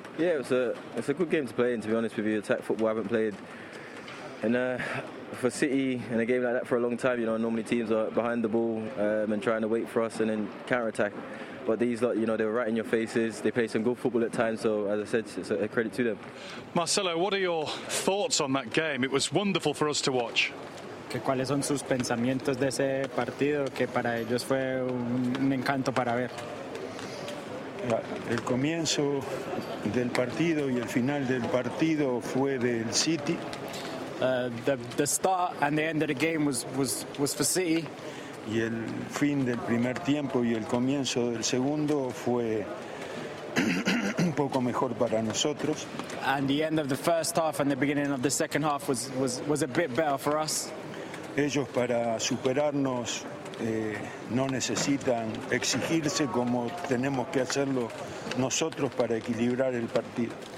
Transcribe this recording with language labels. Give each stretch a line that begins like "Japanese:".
English: Yeah, it's a good game to play in, to be honest with you. Attack football, I haven't played in for City in a game like that for a long time. You know, normally teams are behind the ball and trying to wait for us and then counter-attack. But these lot, you know, they were right in your faces. They play some good football at times, so as I said, it's a credit to them. Marcelo, what are your thoughts on that game? It was wonderful for us to watch.
Spanish: que cuáles son sus pensamientos de ese partido que para ellos fue un encanto para ver. El comienzo del partido y el final del partido fue del City.
English: The start and the end of the game was for City.
Spanish: Y el fin del primer tiempo y el comienzo del segundo fue un poco mejor para nosotros.
English: And the end of the first half and the beginning of the second half was a bit better for us.
Spanish: Ellos para superarnos no necesitan exigirse como tenemos que hacerlo nosotros para equilibrar el partido.